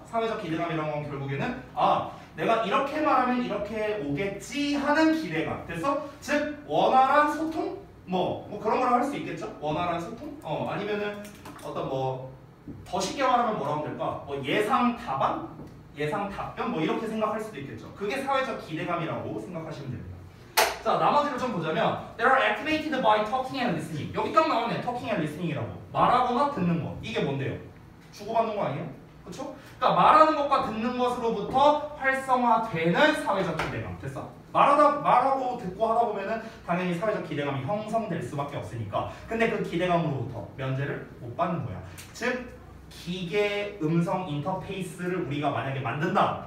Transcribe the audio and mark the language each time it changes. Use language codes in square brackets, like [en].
[ko] 사회적 기대감이라는 건 결국에는 아 내가 이렇게 말하면 이렇게 오겠지 하는 기대감. 됐어? 즉 원활한 소통? 뭐 그런 걸 할 수 있겠죠? 원활한 소통? 아니면은 어떤 뭐 더 쉽게 말하면 뭐라고 하면 될까? 뭐 예상 답안? 예상 답변? 뭐 이렇게 생각할 수도 있겠죠. 그게 사회적 기대감이라고 생각하시면 됩니다. 자 나머지를 좀 보자면 [en] They are activated by talking and listening. [ko] 여기 딱 나왔네. [en] talking and listening [ko] 이라고. 말하거나 듣는 거. 이게 뭔데요? 주고받는 거 아니에요? 그렇죠? 그러니까 말하는 것과 듣는 것으로부터 활성화되는 사회적 기대감. 됐어? 말하고 듣고 하다 보면은 당연히 사회적 기대감이 형성될 수밖에 없으니까. 근데 그 기대감으로부터 면제를 못 받는 거야. 즉 기계 음성 인터페이스를 우리가 만약에 만든다.